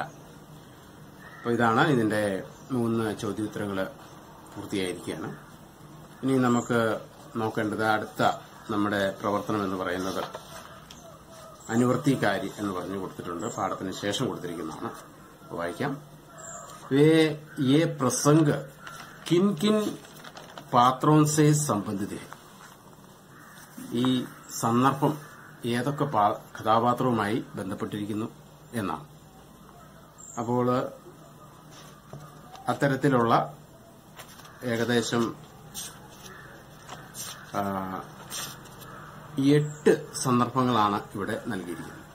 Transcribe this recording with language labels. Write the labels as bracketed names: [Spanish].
[Malayalam] അപ്പോൾ ഇതാണ് ഇതിന്റെ മൂന്ന് ചോദ്യോത്തരങ്ങൾ പൂർത്തിയായിരിക്കുകയാണ്. ഇനി നമുക്ക് നോക്കേണ്ടത് അടുത്ത നമ്മുടെ പ്രവർത്തനം എന്ന് പറയുന്നത് അനുവർത്തികാരി എന്ന് പറഞ്ഞു കൊടുത്തിട്ടുണ്ട്. പാഠത്തിന് ശേഷം കൊടുത്തിരിക്കുന്നതാണ്. വായിക്കാം. [Hindi] ये प्रसंग किन किन पात्रों से संबंधित है. [Malayalam] ई संदर्भम ഏതൊക്കെ കഥാപാത്രവുമായി ബന്ധപ്പെട്ടിരിക്കുന്നു എന്നാണ്. അപ്പോൾ അത്തരത്തിലുള്ള ഏകദേശം എട്ട് സന്ദർഭങ്ങളാണ് ഇവിടെ നൽകിയിരിക്കുന്നത്.